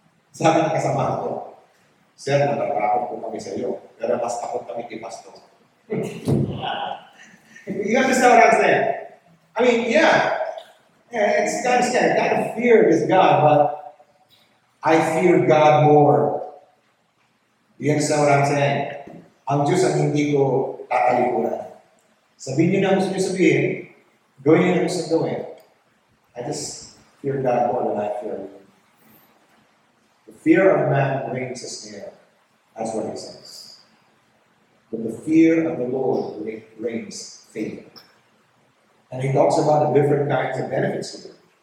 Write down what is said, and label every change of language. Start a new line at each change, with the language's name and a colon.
Filipino: Sabi na kasama ko,
English: Sir,
Filipino: natatakot po kami sa iyo, pero mas takot kami kay Pastor.
English: You understand what I'm saying? I mean, yeah. It's kind of scary. Kind of fear is God, but I fear God more. You understand what I'm saying?
Filipino: Ang Diyos ang hindi ko tatalikuran. Sabihin niyo na ang Diyos sabihin, gawin niyo na gusto gawin.
English: I just fear God more than I fear you. The fear of man brings a snare. That's what he says. But the fear of the Lord brings favor. And he talks about the different kinds of benefits here.